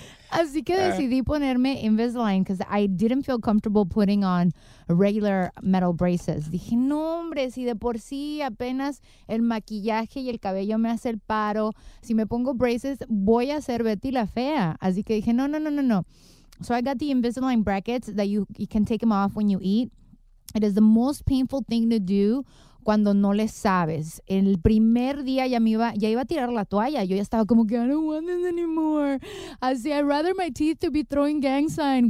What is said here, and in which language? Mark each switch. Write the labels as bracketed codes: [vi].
[es] Así que decidí ponerme Invisalign [en] because I didn't feel comfortable putting on regular metal braces. [es] Dije, no hombre, si de por sí apenas el maquillaje y el cabello me hace el paro, si me pongo braces voy a ser Betty la Fea. Así que dije, no. [en] So I got the Invisalign brackets that you can take them off when you eat. It is the most painful thing to do [es] cuando no le sabes. El primer día ya iba a tirar la toalla. Yo ya estaba como que, [en] I don't want this anymore. [es] Así, [en] I'd rather my teeth to be throwing gang sign.